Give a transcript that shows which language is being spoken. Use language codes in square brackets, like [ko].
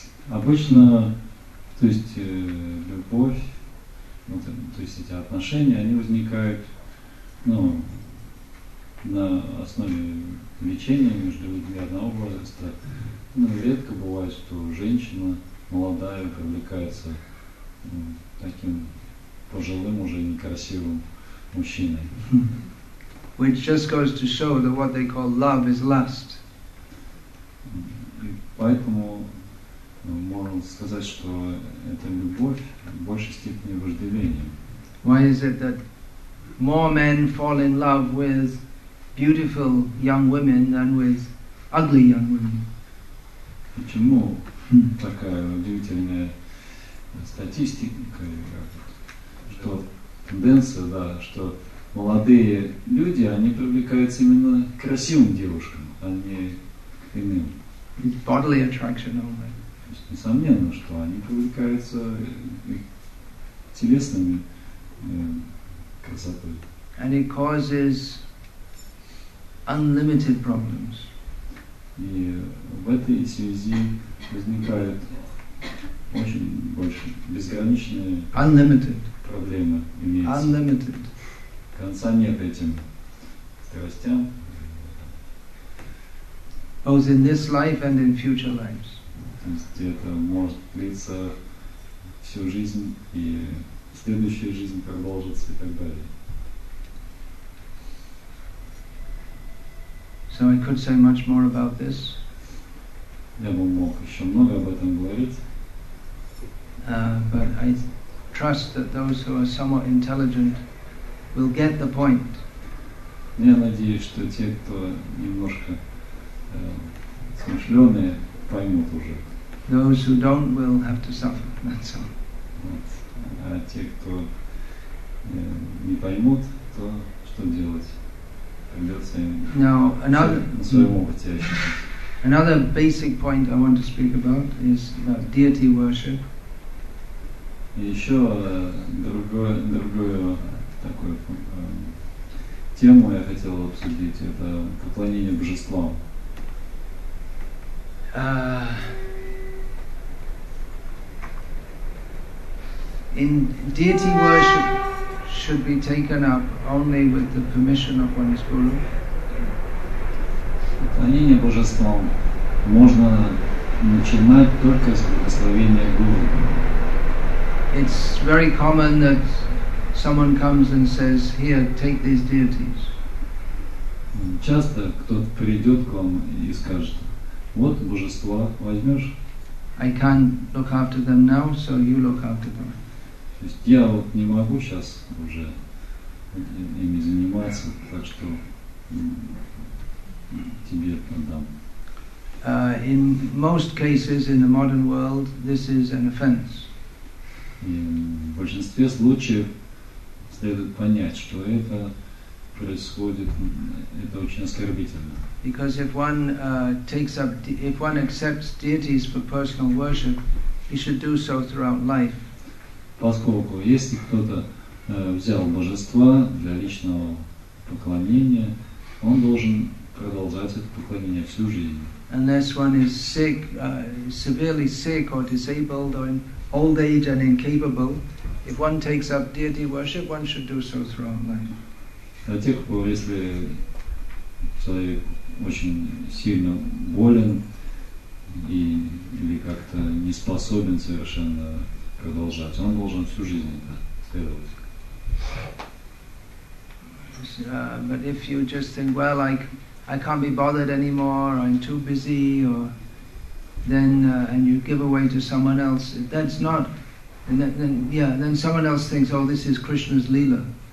[ru] Обычно, то есть любовь, вот, то есть эти отношения, они возникают, ну, на основе влечения между людьми одного возраста. Ну, редко бывает, что женщина молодая привлекается таким пожилым, уже некрасивым мужчиной. [en] Which just goes to show that what they call love is lust. [ru] И поэтому можно сказать, что это любовь в большей степени вожделение. [en] Why is it that more men fall in love with beautiful young women than with ugly young women? [ru] Почему такая удивительная статистика, что тенденция, да, что молодые люди, они привлекаются именно красивым девушкам, а не иным? [en] It's bodily attraction only. [ru] Несомненно, что они привлекаются телесными красотой. [en] And it causes unlimited problems. [ru] И в этой связи возникают очень большие безграничные [en] unlimited [ru] проблемы. Имеются. [en] Unlimited. [ru] Конца нет этим страстям. [en] both in this life and in future lives. [ru] То есть это может длиться всю жизнь и следующая жизнь продолжится и так далее. [en] So I could say much more about this. [ru] Я бы мог еще много об этом говорить. [en] But I trust that those who are somewhat intelligent will get the point. [ru] Я надеюсь, что те, кто немножко смышленые, поймут уже. [en] Those who don't will have to suffer, that's all. [ru] Вот. А те, кто не поймут, то что делать? Придется им на своем опыте ощутить. [en] Another basic point I want to speak about is about deity worship. [ru] И еще другую такую тему я хотел обсудить, это поклонение божествам. [en] In deity worship should be taken up only with the permission of one's guru. [ru] Поклонение божествам можно начинать только с благословения гуру. [en] It's very common that someone comes and says, "Here, take these deities." [ru] Часто кто-то придет к вам и скажет: "Вот божества, возьмешь?" [en] I can't look after them now, so you look after them. [ru] То есть я вот не могу сейчас уже ими заниматься, так что тебе отдам. [en] In most cases in the modern world, this is an offense. [ru] И в большинстве случаев следует понять, что это происходит, это очень оскорбительно. [en] Because if one if one accepts deities for personal worship, he should do so throughout life. [ru] Поскольку если кто-то взял божества для личного поклонения, он должен продолжать это поклонение всю жизнь. [en] Unless one is sick, severely sick or disabled or in old age and incapable, if one takes up deity worship, one should do so throughout life. [ru] До тех пор, если человек очень сильно болен и или как-то не способен совершенно продолжать, он должен всю жизнь это следовать. [en] But if you just think, well, like I can't be bothered anymore, I'm too busy, or then and you give away to someone else, that's not, and then someone else thinks, oh, this is Krishna's leela.